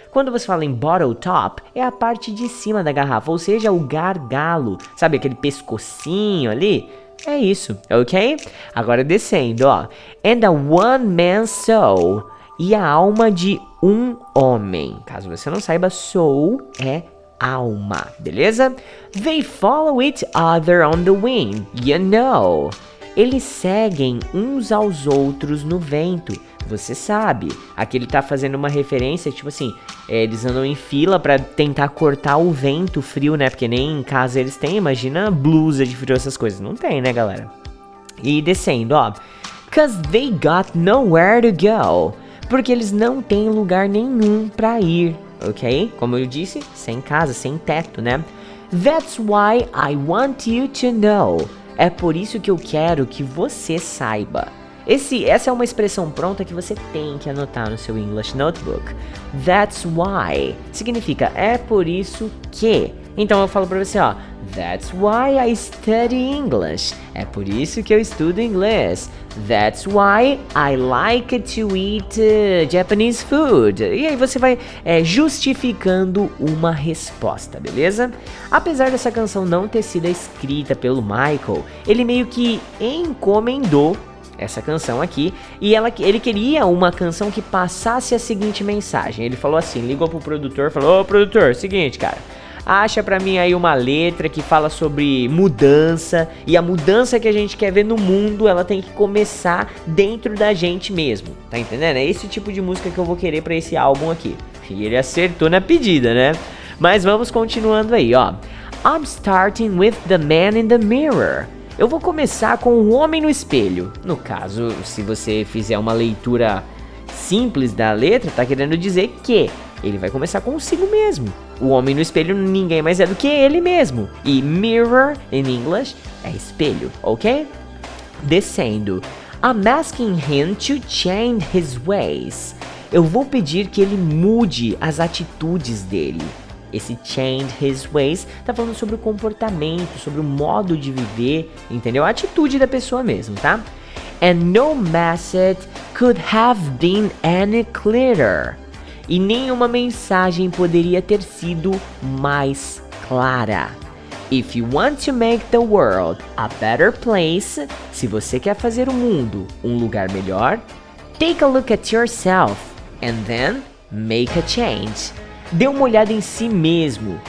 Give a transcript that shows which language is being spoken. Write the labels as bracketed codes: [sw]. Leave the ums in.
[pt] Quando você fala em bottle top, é a parte de cima da garrafa, ou seja, o gargalo. Sabe aquele pescocinho ali? É isso, ok? Agora descendo, ó. [en] And a one man soul. [pt] E a alma de um homem. Caso você não saiba, soul é alma, beleza? [en] They follow each other on the wind, you know. [pt] Eles seguem uns aos outros no vento você sabe. Aqui ele tá fazendo uma referência, tipo assim, é, eles andam em fila para tentar cortar o vento frio, né? Porque nem em casa eles têm, imagina blusa de frio, essas coisas. Não tem, né, galera? E descendo, ó. [en] Cause they got nowhere to go. [pt] Porque eles não têm lugar nenhum para ir, ok? Como eu disse, sem casa, sem teto, né? [en] That's why I want you to know. [pt] É por isso que eu quero que você saiba. Esse, essa é uma expressão pronta que você tem que anotar no seu English Notebook. That's why. Significa é por isso que. Então eu falo pra você, ó. [en] That's why I study English. [pt] É por isso que eu estudo inglês. [en] That's why I like to eat uh, Japanese food. [pt] E aí você vai é, justificando uma resposta, beleza? Apesar dessa canção não ter sido escrita pelo Michael, ele meio que encomendou essa canção aqui, e ela, ele queria uma canção que passasse a seguinte mensagem. Ele falou assim: ligou pro produtor, falou: Ô produtor, seguinte, cara, acha pra mim aí uma letra que fala sobre mudança, e a mudança que a gente quer ver no mundo, ela tem que começar dentro da gente mesmo, tá entendendo? É esse tipo de música que eu vou querer para esse álbum aqui. E ele acertou na pedida, né? Mas vamos continuando aí, ó. [en] I'm starting with the man in the mirror. [pt] Eu vou começar com o homem no espelho. No caso, se você fizer uma leitura simples da letra, tá querendo dizer que ele vai começar consigo mesmo. O homem no espelho ninguém mais é do que ele mesmo. E mirror in em inglês, é espelho, ok? Descendo. [en] I'm asking him to change his ways. [pt] Eu vou pedir que ele mude as atitudes dele esse change his ways está falando sobre o comportamento, sobre o modo de viver, entendeu? A atitude da pessoa mesmo, tá? [en] And no message could have been any clearer. [pt] E nenhuma mensagem poderia ter sido mais clara. [en] If you want to make the world a better place, [pt] se você quer fazer o mundo um lugar melhor, [en] take a look at yourself and then make a change [pt] dê uma olhada em si mesmo.